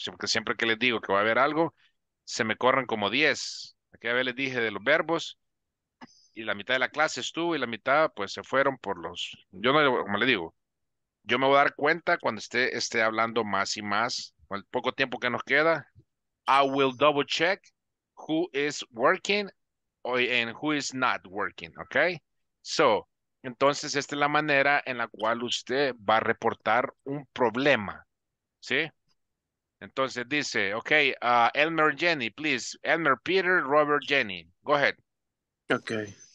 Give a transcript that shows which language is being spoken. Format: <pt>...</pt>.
<es>Porque siempre que les digo que va a haber algo, se me corren como 10. Aquella vez les dije de los verbos y la mitad de la clase estuvo y la mitad pues se fueron por los... Yo no, como le digo, yo me voy a dar cuenta cuando esté hablando más y más, con el poco tiempo que nos queda.</es> <en>I will double check who is working and who is not working, okay?</en> <es>So, entonces esta es la manera en la cual usted va a reportar un problema, ¿sí? Entonces dice,</es> <en>okay, Elmer, Jenny, please. Elmer, Peter, Robert, Jenny. Go ahead. Okay.</en>